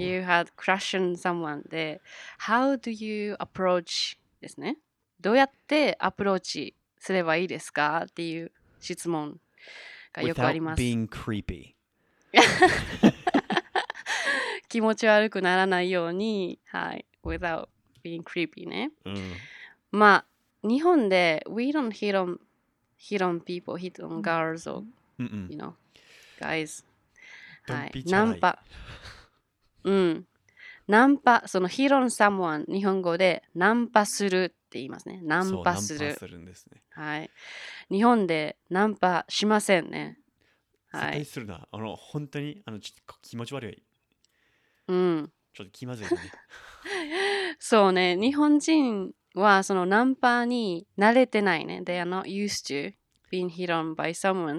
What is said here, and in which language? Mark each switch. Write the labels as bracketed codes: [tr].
[en] You had crush on someone. で、How do you approach [ja] ですね。どうやってアプローチすればいいですかっていう質問がよくあります。 [en] Without being creepy. [ja] 気持ち悪くならないように、はい。 [en] Without being creepy ね。 [ja] 日本で、 [en] We don't hit on people, hit on girls or, you know, guys. [ja] はい、ナンパ。ナンパ、その [en] ヒロンサムワン、 [ja] 日本語でナンパするって言いますね。ナンパする。そう、ナンパするんですね。はい。日本でナンパしませんね。はい、絶対するな。本当に、ちょっと気持ち悪い。うん。ちょっと気まずいね。そうね、日本人はそのナンパに慣れてないね。 [en] They are not used to being hit on by someone.